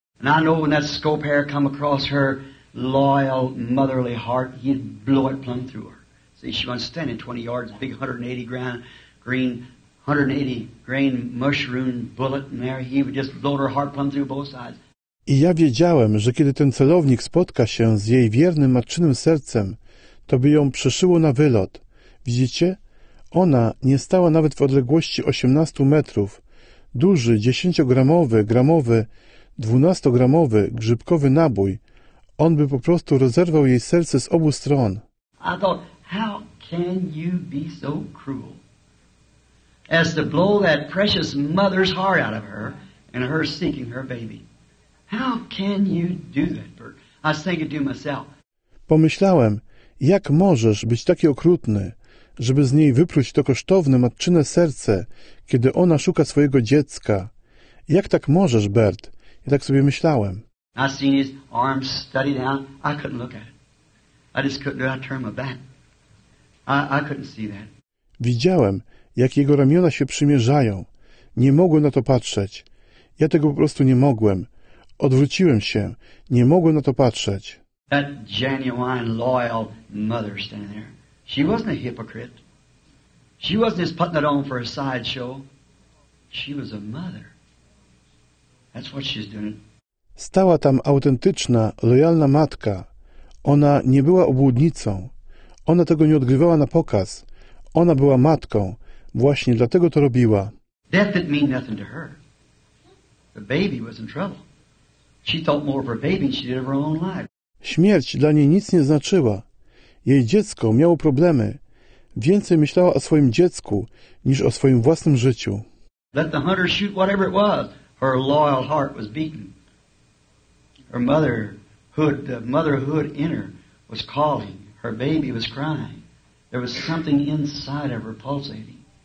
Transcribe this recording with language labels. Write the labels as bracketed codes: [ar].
[en] And I know when that scope hair come across her loyal motherly heart, he'd blow it plumb through her. See, she was standing 20 yards, big 180 grain, 180 grain mushroom bullet in there. He would just blow her heart plumb through both sides. [pl] I ja wiedziałem, że kiedy ten celownik spotka się z jej wiernym matczynym sercem, to by ją przeszyło na wylot. Widzicie? Ona nie stała nawet w odległości 18 metrów. Duży, 10-gramowy, gramowy, 12-gramowy, grzybkowy nabój. On by po prostu rozerwał jej serce z obu stron. [en] I thought, how can you be so cruel as to blow that precious mother's heart out of her and her seeking her baby? How can you do that, Bert? I was thinking to myself. [pl] Pomyślałem, jak możesz być taki okrutny, żeby z niej wypluć to kosztowne matczyne serce, kiedy ona szuka swojego dziecka. Jak tak możesz, Bert? I tak sobie myślałem. [en] I seen his arms study down. I couldn't look at it. I just couldn't do it. I turned my back. I couldn't see that. [pl] Widziałem, jak jego ramiona się przymierzają. Nie mogłem na to patrzeć. Ja tego po prostu nie mogłem. Odwróciłem się. Nie mogłem na to patrzeć. [en] That genuine, loyal mother standing there. She wasn't a hypocrite. She wasn't just putting it on for a sideshow. She was a mother. That's what she's doing. [pl] Stała tam autentyczna, lojalna matka. Ona nie była obłudnicą. Ona tego nie odgrywała na pokaz. Ona była matką. Właśnie dlatego to robiła. [en] Death didn't mean nothing to her. The baby was in trouble. She thought more of her baby than she did of her own life. [pl] Śmierć dla niej nic nie znaczyła. Jej dziecko miało problemy. Więcej myślała o swoim dziecku niż o swoim własnym życiu. [en] Let the hunter shoot whatever it was. Her loyal heart was beaten. Her motherhood, the motherhood in her was calling. Her baby was crying. There was something inside of her pulsating.